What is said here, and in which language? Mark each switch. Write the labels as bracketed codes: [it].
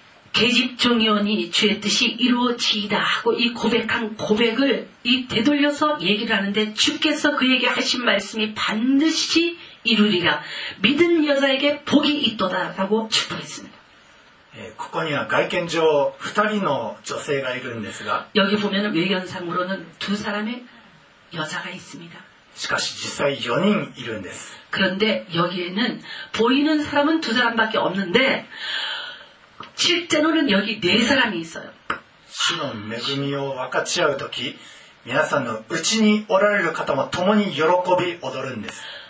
[ko] 계집종이오니주의뜻이이루어지이다하고이고백한고백을이되돌려서얘기를하는데주께서그에게하신말씀이반드시이루리라믿은여자에게복이있도다라고축복했습니다 [ja] ここには外見上二人の女性がいるんですが [ko] 여기보면외견상으로는두사람의여자가있습니다 [ja] しかし実際4人いるんです [ko] 그런데여기에는보이는사람은두사람밖에없는데실제로는여기네사람이있어요 [ja] 主の恵みを分かち合う時皆さんのうちにおられる方も共に喜び踊るんです